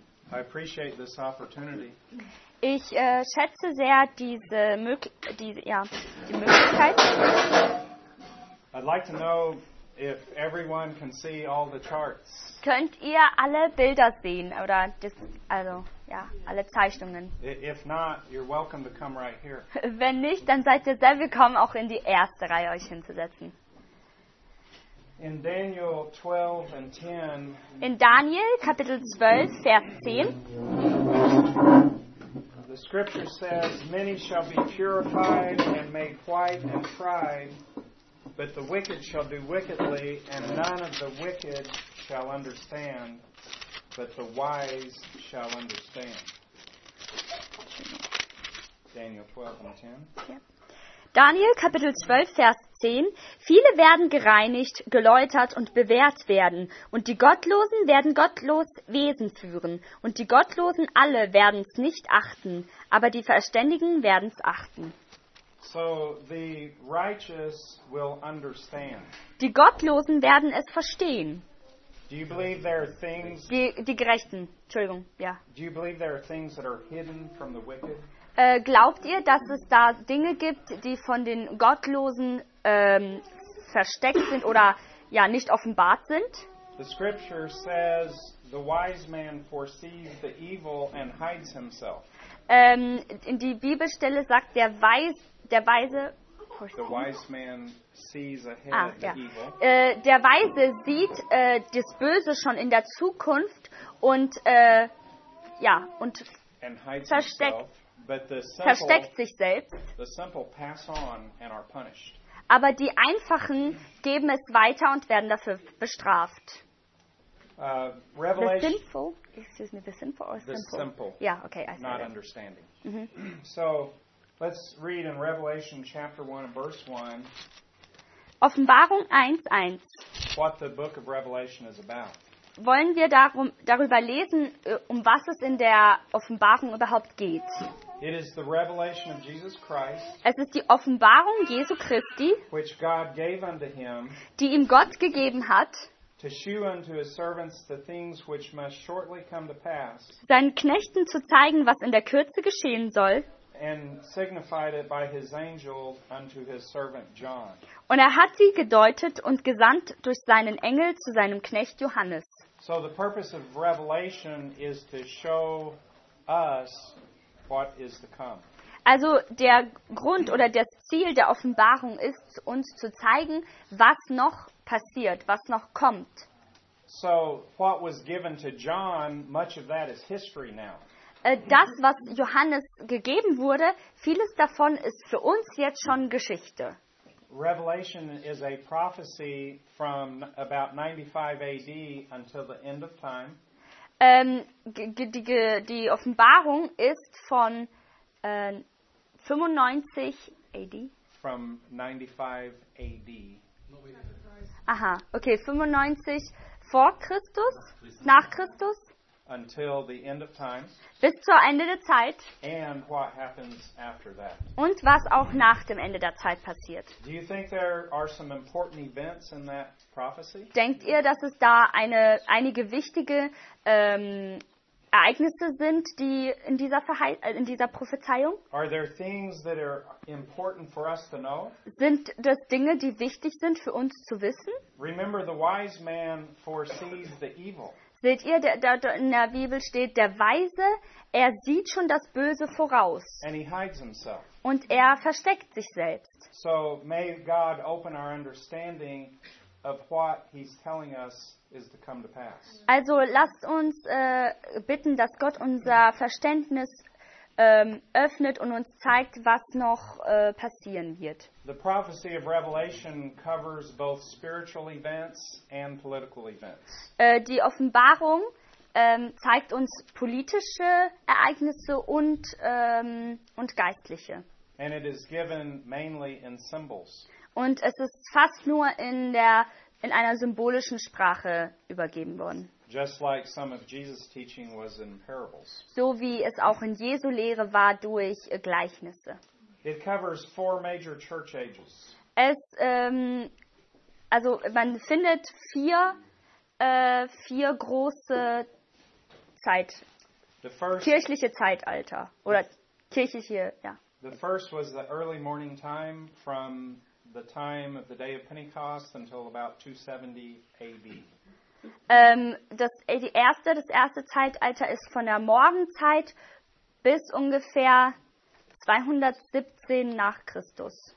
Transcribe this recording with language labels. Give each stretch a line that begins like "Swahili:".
English: I appreciate this opportunity.
German: Ich schätze sehr die Möglichkeit.
English: I'd like to know if everyone can see all the charts.
German: Könnt ihr alle Bilder sehen oder das, also ja, alle Zeichnungen?
English: If not, you're welcome to come right here.
German: Wenn nicht, dann seid ihr sehr willkommen, auch in die erste Reihe euch hinzusetzen.
English: In Daniel 12 and 10.
German: In Daniel Kapitel 12 Vers 10.
English: The scripture says, many shall be purified and made white and tried, but the wicked shall do wickedly, and none of the wicked shall understand, but the wise shall understand. Daniel 12 and 10.
German: Daniel Kapitel 12 Vers 10. Viele werden gereinigt, geläutert und bewährt werden, und die Gottlosen werden gottlos Wesen führen, und die Gottlosen alle werden's nicht achten, aber die Verständigen werden's achten.
English: So the righteous will understand.
German: Die Gottlosen werden es verstehen.
English: Do you believe there are things,
German: die Gerechten, Entschuldigung, ja.
English: Do you believe there are things that are hidden from the wicked?
German: Glaubt ihr, dass es da Dinge gibt, die von den Gottlosen versteckt sind oder ja nicht offenbart sind?
English: The scripture says the wise man foresees the evil and hides himself.
German: In die Bibelstelle sagt der Weise.
English: The wise man sees ahead the evil.
German: Der Weise sieht das Böse schon in der Zukunft und ja und
English: and hides
German: versteckt.
English: Himself. But the simple,
German: versteckt sich selbst.
English: The simple pass on and are punished.
German: Aber die Einfachen geben es weiter und werden dafür bestraft.
English: Revelation, the sinful, excuse me, the sinful or the simple? The simple. Yeah, okay, I see. Not that. Understanding. Mm-hmm. So, let's read in Revelation chapter 1 and verse 1.
German: Offenbarung 1:1.
English: What the book of Revelation is about.
German: Wollen wir darüber lesen, um was es in der Offenbarung überhaupt geht?
English: It is the revelation of Jesus Christ,
German: es ist die Offenbarung Jesu Christi,
English: which God gave unto him,
German: die ihm Gott gegeben hat,
English: to shew unto his servants the things which must shortly come to pass,
German: seinen Knechten zu zeigen, was in der Kürze geschehen soll,
English: and signified it by his angel unto his servant John.
German: Und er hat sie gedeutet und gesandt durch seinen Engel zu seinem Knecht Johannes.
English: So the purpose of Revelation is to show us what is to come.
German: Also der Grund oder das Ziel der Offenbarung ist, uns zu zeigen, was noch passiert, was noch kommt.
English: So what was given to John, much of that is history now.
German: Das, was Johannes gegeben wurde, vieles davon ist für uns jetzt schon Geschichte.
English: Revelation is a prophecy from about 95 AD until the end of time.
German: Die Offenbarung ist von 95 AD.
English: From 95 AD.
German: Aha, okay, 95 vor Christus, nach Christus.
English: Until the end of time.
German: Bis zur Ende der Zeit.
English: And what happens after that.
German: Und was auch nach dem Ende der Zeit passiert.
English: Do you think there are some important events in that prophecy?
German: Denkt ihr, dass es da einige wichtige Ereignisse sind, die in dieser Prophezeiung?
English: Are there things that are important for us to know?
German: Sind das Dinge, die wichtig sind für uns zu wissen?
English: Remember, the wise man foresees the evil.
German: Seht ihr, der in der Bibel steht, der Weise, er sieht schon das Böse voraus.
English: And he hides himself.
German: Und er versteckt sich selbst.
English: So may God open our understanding of what he's telling us is to come to pass.
German: Also lasst uns bitten, dass Gott unser Verständnis öffnet und uns zeigt, was noch passieren wird.
English: The prophecy of Revelation covers both spiritual events and political events.
German: Die Offenbarung zeigt uns politische Ereignisse und geistliche.
English: And it is given mainly in symbols.
German: Und es ist fast nur in einer symbolischen Sprache übergeben worden.
English: Just like some of Jesus' teaching was in parables.
German: So wie es auch in Jesu Lehre war durch Gleichnisse.
English: It covers four major church ages.
German: Es also man findet vier große Zeit kirchliche Zeitalter oder kirchliche, ja.
English: The first was the early morning time from the time of the day of Pentecost until about 270 AD.
German: Das erste Zeitalter ist von der Morgenzeit bis ungefähr 217 nach Christus.